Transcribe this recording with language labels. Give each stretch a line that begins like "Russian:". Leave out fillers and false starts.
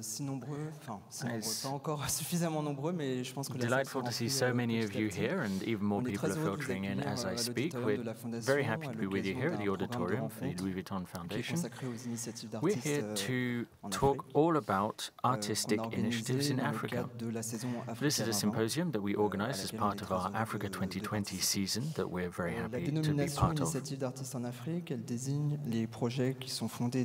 French: Si nombreux, enfin, si nombreux, pas encore suffisamment nombreux, mais je pense que la
English: delightful to see so many of you here, and even more people are filtering in as I speak. We're very happy to be with you here at the auditorium for the Louis Vuitton Foundation. We're here to talk all about artistic initiatives in Africa. This is a symposium that we organize as part of our Africa 2020 season that we're very happy to be part of.
French: La dénomination initiative d'artistes en Afrique, elle désigne les projets qui sont fondés.